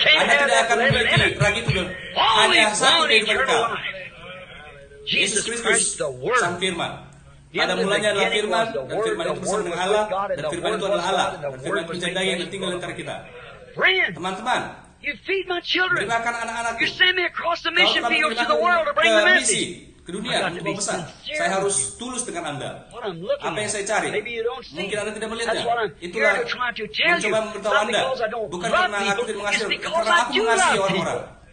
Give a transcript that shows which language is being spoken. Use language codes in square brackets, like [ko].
[id] Anda tidak akan memiliki ragi itu. Hanya satu kehidupan kekal. Yesus Kristus, Sang Firman. Pada mulanya adalah firman, dan firman itu bersama dengan Allah, dan firman itu adalah Allah. Dan firman itu menjadi daya yang tinggal antara kita. Teman-teman, [en] you feed my children. [id] Berikan anak-anakku. [en] You send me across the mission field to the world to bring the message. [id] ke dunia. Tuhan pesan, saya harus tulus dengan Anda. Apa yang saya cari? Mungkin Anda tidak melihatnya. Itulah mencoba memberitahu Anda. Bukan karena aku tidak mengasihi, karena aku mengasihi orang-orang.